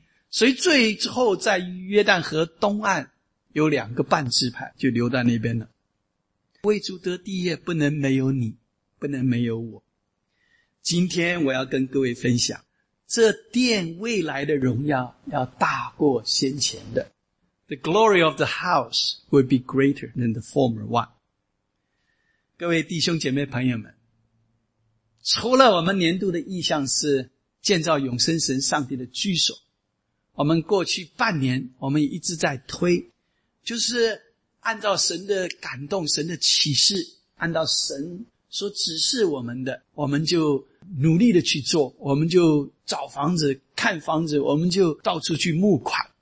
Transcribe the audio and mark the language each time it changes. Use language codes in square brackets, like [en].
[zh] 所以最后在约旦河东岸有两个半支派就留在那边了。为主得地业不能没有你，不能没有我。今天我要跟各位分享，这殿未来的荣耀要大过先前的。 [en] the glory of the house will be greater than the former one. [zh] 各位弟兄姐妹朋友们，除了我们年度的意向是建造永生神上帝的居所，我们过去半年我们一直在推，就是按照神的感动，神的启示，按照神所指示我们的，我们就努力的去做，我们就找房子看房子，我们就到处去募款。